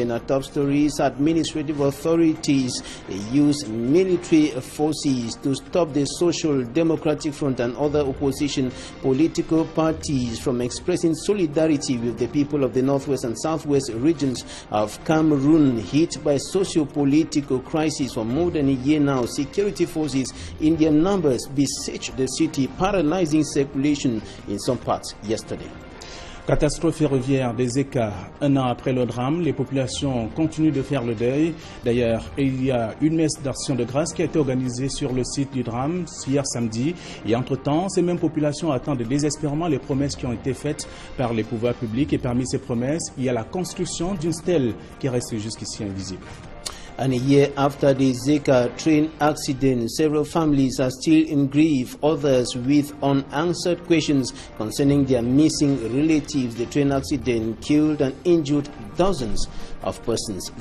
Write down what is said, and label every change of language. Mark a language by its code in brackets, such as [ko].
[en] In our top stories, administrative authorities use military forces to stop the Social Democratic Front and other opposition political parties from expressing solidarity with the people of the Northwest and Southwest regions regions of Cameroon hit by socio-political crisis for more than a year now. Security forces in their numbers besieged the city, paralyzing circulation in some parts yesterday. [fr] Catastrophe ferroviaire des Écars. Un an après le drame, les populations continuent de faire le deuil. D'ailleurs, il y a une messe d'action de grâce qui a été organisée sur le site du drame hier samedi. Et entre-temps, ces mêmes populations attendent désespérément les promesses qui ont été faites par les pouvoirs publics. Et parmi ces promesses, il y a la construction d'une stèle qui reste jusqu'ici invisible. [en] And a year after the Zika train accident, several families are still in grief, others with unanswered questions concerning their missing relatives. The train accident killed and injured dozens of persons.